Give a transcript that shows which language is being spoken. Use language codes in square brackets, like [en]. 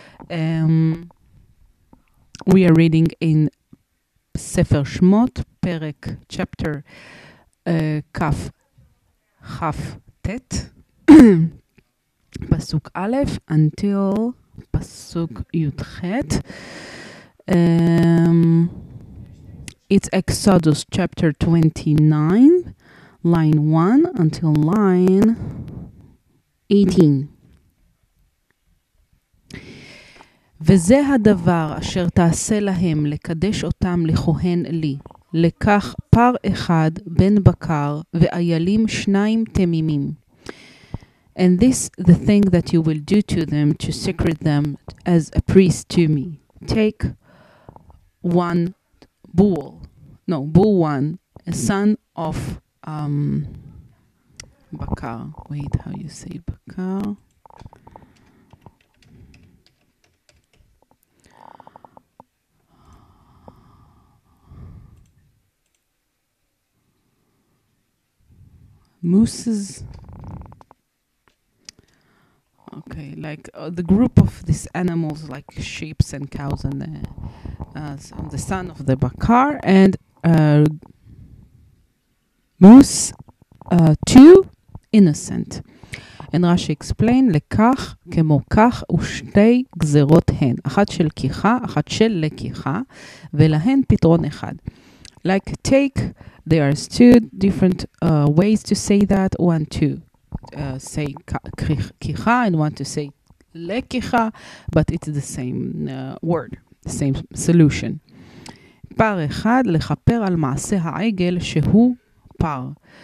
[en] We are reading in Sefer Shmot, Perek, chapter Kaf, Chaf Tet, Pasuk Aleph until Pasuk Yudchet. It's Exodus chapter 29, line 1 until line 18. [he] וזה הדבר אשר תעשה להם לקדש אותם לכהן לי. לקח פר אחד בן בקר ואיילים שניים תמימים. [en] And this the thing that you will do to them to secret them as a priest to me. Take one bull one, a son of Bakar. Wait, how you say Bakar? Mooses. Okay, like the group of these animals, like sheep and cows, and the son of the Bakar, and moose, two innocent. And Rashi explained, [he] לקח כמו כך ושתי גזרות הן, אחת של כיחה, אחת של לקיחה, ולהן פתרון אחד. [en] Like take, there are two different ways to say that, one, two. Say kicha and want to say lekicha, but it's the same word, same solution. [he] Par echad lechaper al maaseh ha'egel shehu par.